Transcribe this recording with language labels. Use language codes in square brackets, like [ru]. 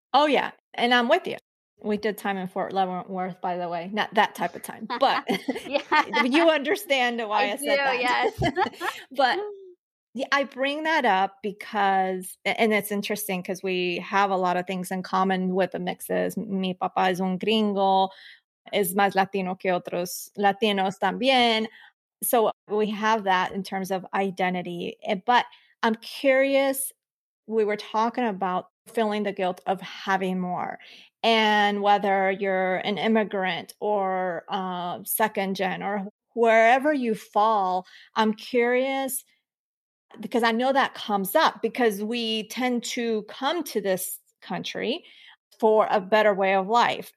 [en] Oh, yeah. And I'm with you. We did time in Fort Leavenworth, by the way. Not that type of time, but you understand why I said do, that. Yes. But yeah, I bring that up because, and it's interesting because we have a lot of things in common with the mixes. [es] Mi papá es un gringo, es más Latino que otros Latinos también. [en] So we have that in terms of identity. But I'm curious, we were talking about feeling the guilt of having more. And whether you're an immigrant or second gen or wherever you fall, I'm curious because I know that comes up because we tend to come to this country for a better way of life.